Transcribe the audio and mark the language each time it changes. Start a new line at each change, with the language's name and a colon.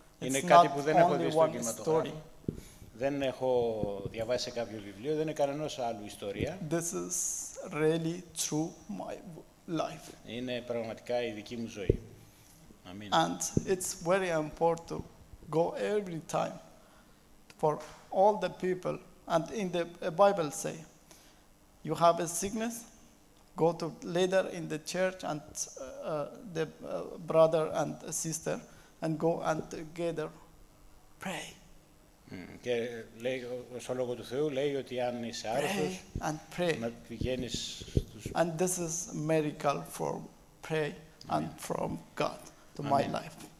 Greek: Είναι κάτι που δεν έχω δει στο κινηματογράφο. Δεν έχω διαβάσει κάποιο βιβλίο, δεν είναι κανένας άλλου ιστορία.
English: This is really true my life.
Greek: Είναι πραγματικά η δική μου ζωή. Αμήν.
English: And it's very important to go every time for all the people. And in the Bible say, you have a sickness, go to later in the church and the brother and sister and go and together pray.
Greek: Και λέει, στο Λόγο του Θεού λέει ότι αν είσαι άρρωστος, να πηγαίνεις στους...
English: And this is miracle for pray and from God to my life.